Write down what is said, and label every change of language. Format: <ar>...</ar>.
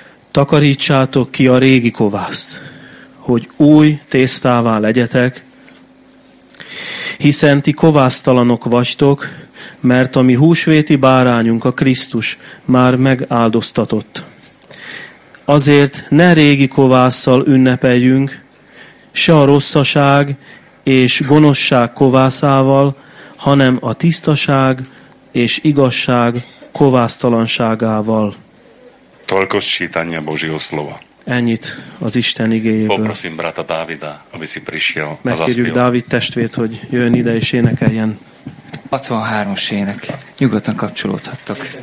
<hu>Takarítsátok ki a régi kovászt, hogy új tésztává legyetek, hiszen ti kovásztalanok vagytok, mert a mi húsvéti bárányunk, a Krisztus már megáldoztatott. Azért ne régi kovásszal ünnepeljünk, se a rosszaság és gonoszság kovászával, hanem a tisztaság és igazság kovásztalanságával.</hu> <sk>Toľko sčítania Božieho slova.</sk> <hu>Ennyit az Isten igéjéből.</hu> <sk>Poprosím brata Dávida, aby si prišiel a zaspiel.</sk> <hu>Megkérjük Dávid testvért, hogy jön ide és énekeljen. 63-os ének. Nyugodtan kapcsolódhattok.</hu>